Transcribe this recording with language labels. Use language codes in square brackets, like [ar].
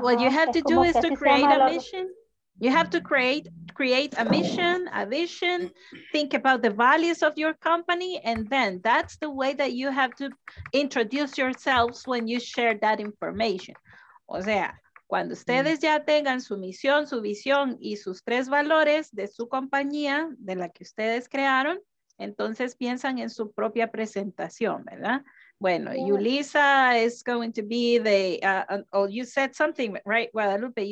[en] what you have to do is to create a mission. You have to create a mission, a vision, think about the values of your company, and then that's the way that you have to introduce yourselves when you share that information. [es] O sea, cuando ustedes ya tengan su misión, su visión y sus tres valores de su compañía, de la que ustedes crearon, entonces piensan en su propia presentación, ¿verdad? Bueno, [en] yeah. Yulisa is going to be the, you said something, right, Guadalupe?